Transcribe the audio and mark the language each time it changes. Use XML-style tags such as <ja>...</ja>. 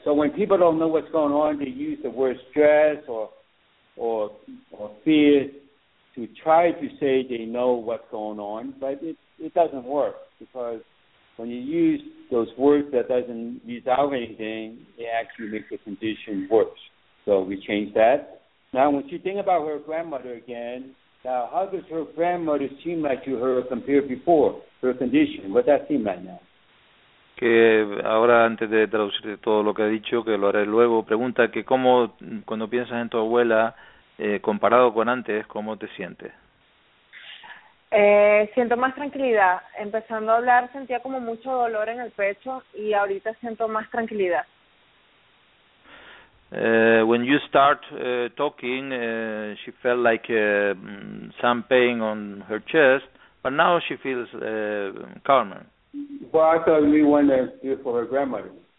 <en>So when people don't know what's going on, they use the word stress or fear to try to say they know what's going on, but it doesn't work, because when you use those words that doesn't resolve anything, it actually makes the condition worse. So we change that. Now, when she thinks about her grandmother again, now how does her grandmother seem like to her compared before, her condition? What does that seem like now?</en> <es>Que ahora, antes de traducir todo lo que ha dicho, que lo haré luego, pregunta que cómo, cuando piensas en tu abuela, comparado con antes, ¿cómo te sientes? Siento más tranquilidad. Empezando a hablar, sentía como mucho dolor en el pecho y ahorita siento más tranquilidad.</es> <en>When you start talking, she felt like some pain on her chest, but now she feels calmer. Well, I thought we wanted to do it for her grandmother.</en>